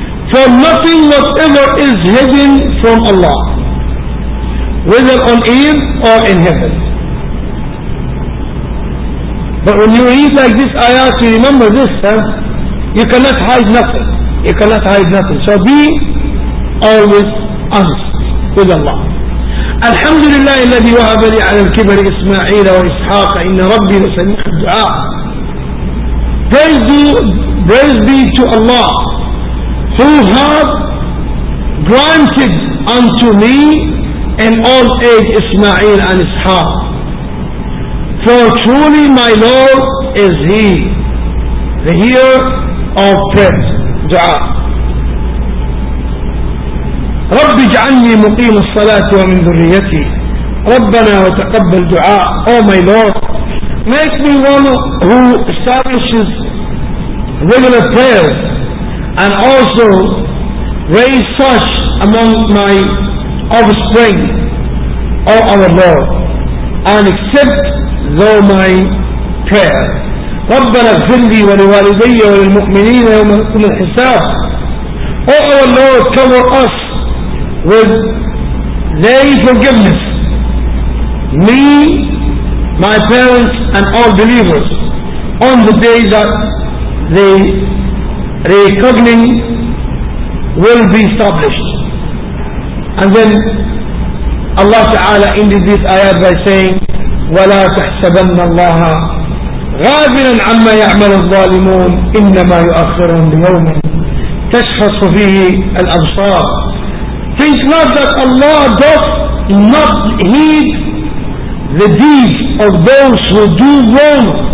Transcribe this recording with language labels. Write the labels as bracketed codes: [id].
[en] from nothing whatever is hidden from Allah, whether on earth or in heaven. But when you read like this ayat, you remember this, you cannot hide nothing. You cannot hide nothing. So be always honest with Allah. [ar] الحمد لله الذي وهب لي على الكبر إسماعيل وإسحاق إن ربي لسميع الدعاء. [en] Praise be to Allah who have granted unto me in old age Ismail and Ishaq. For truly my Lord is He, the hearer of prayer. [ar] دعاء. رب اجعلني مقيم الصلاة ومن ذريتي ربنا وتقبل دعاء. [en] Oh my Lord, make me one who establishes regular prayers and also raise such among my offspring, O our Lord, and accept though my prayer. [ar] ربنا اغفر لي ولوالدي وللمؤمنين يوم يقوم الحساب. [en] O our Lord, cover us with their forgiveness, me, my parents, and all believers, on the day that the reckoning will be established. And then Allah Ta'ala ended this ayat by saying, [ar] وَلَا تَحْسَبَنَّ اللَّهَ غَافِلًا عَمَّا يَعْمَلُ الظَّالِمُونَ إِنَّمَا يُؤَخِّرُهُمْ لِيَوْمٍ تَشْخَصُ فِيهِ الْأَبْصَارُ. [en] Think not that Allah doth not heed the deeds of those who do wrong.